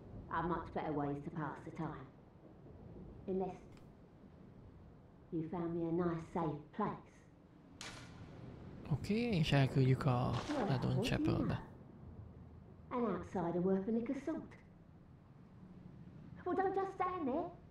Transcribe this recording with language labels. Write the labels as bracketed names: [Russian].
[English] I've much better ways to pass the time. Unless you found me a nice safe place. [Hungarian] Okay, és elküldjük a Ladon Chapelbe. [English] An outsider worth a lick of salt. Well, don't just stand there.